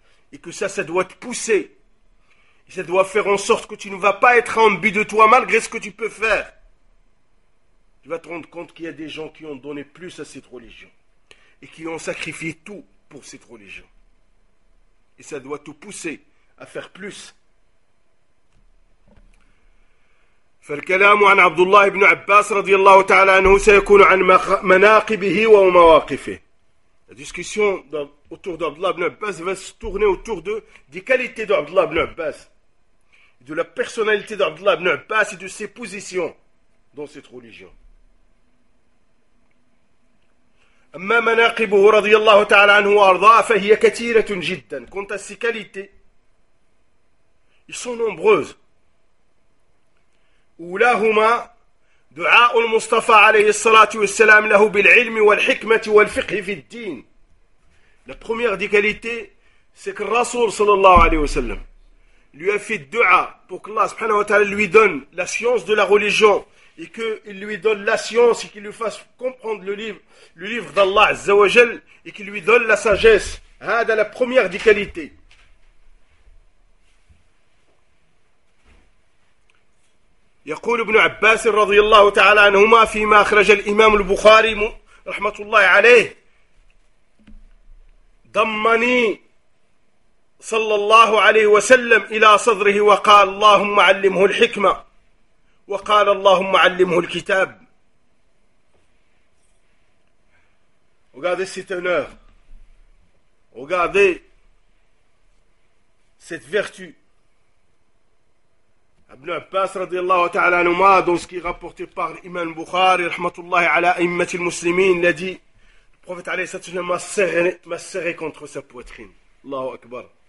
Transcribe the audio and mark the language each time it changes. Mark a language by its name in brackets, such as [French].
[French] Et que ça, ça doit te pousser. Et ça doit faire en sorte que tu ne vas pas être en but de toi malgré ce que tu peux faire. Tu vas te rendre compte qu'il y a des gens qui ont donné plus à cette religion. Et qui ont sacrifié tout pour cette religion. Et ça doit te pousser à faire plus. [Arabic] فالكلام عن عبد الله بن عباس رضي الله تعالى عنه سيكون عن مناقبه ومواقفه. [French] La discussion autour d'Abd Allah ibn Abbas va se tourner autour de des qualités d'Abd Allah ibn Abbas, de la personnalité d'Abd Allah ibn Abbas et de ses positions dans cette religion. [Arabic] أما مناقبه رضي الله تعالى عنه وأرضاه فهي كثيرة جدا. [French] Quant à ses qualités, elles sont nombreuses. [Arabic] أولاهما دعاء المصطفى عليه الصلاة والسلام له بالعلم والحكمة والفقه في الدين. [French] La première des qualités, c'est que le Rasoul [Arabic] sallallahu alayhi wa sallam [French] lui a fait dua pour que Allah subhanahu wa ta'ala lui donne la science de la religion et qu'il lui donne la science et qu'il lui fasse comprendre le livre d'Allah azza wa jal et qu'il lui donne la sagesse. [Arabic] هذا [French] la première des qualités. [Arabic] يقول ابن عباس رضي الله تعالى عنهما فيما أخرج الإمام البخاري رحمة الله عليه ضمني صلى الله عليه وسلم إلى صدره وقال اللهم علمه الحكمة وقال اللهم علمه الكتاب. [French] Regardez cet honneur, regardez cette vertu. Ibn Abbas [Arabic] radiyallahu ta'ala anhuma, [French] dans ce qui est rapporté par l'imam Bukhari [Arabic] rahmatullahi ala aimmat al-muslimin, [French] l'a dit, le prophète alayhi sallam m'a serré contre sa poitrine. [Arabic] Allahu akbar.